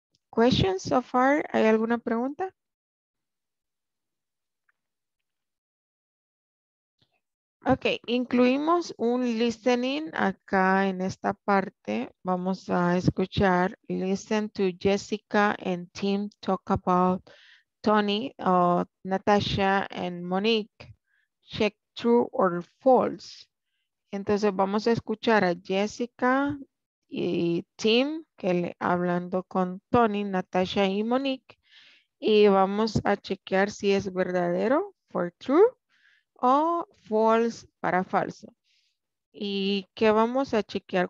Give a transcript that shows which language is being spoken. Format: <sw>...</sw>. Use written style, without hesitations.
<en>Questions so far?</en> <es>¿Hay alguna pregunta? Ok, incluimos un listening acá en esta parte. Vamos a escuchar.</es> <en>Listen to Jessica and Tim talk about Tony, Natasha and Monique. Check true or false.</en> <es>Entonces vamos a escuchar a Jessica y Tim que le hablando con Tony, Natasha y Monique. Y vamos a chequear si es verdadero</es> <en>for true.</en> <es>O false para falso. ¿Y qué vamos a chequear?</es>